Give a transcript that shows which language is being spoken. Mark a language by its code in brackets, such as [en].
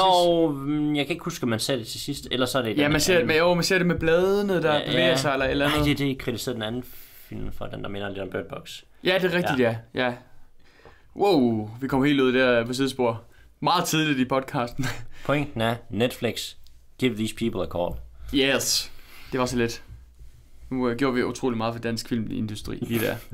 [da] Jo, jeg kan ikke huske, om man ser det til sidst. Eller så er det... Ja, man ser det med bladene, der bevæger sig, eller eller andet. Nej, det er kritiseret den anden film for, den der minder lidt om Bird Box. Ja, det er rigtigt, ja. Wow, vi kom helt ud der på sidespor. Meget tidligt i podcasten. Pointen er, [en] Netflix, give these people a call. [da] Yes, det var så lidt. Nu gjorde vi utrolig meget for dansk filmindustri lige der.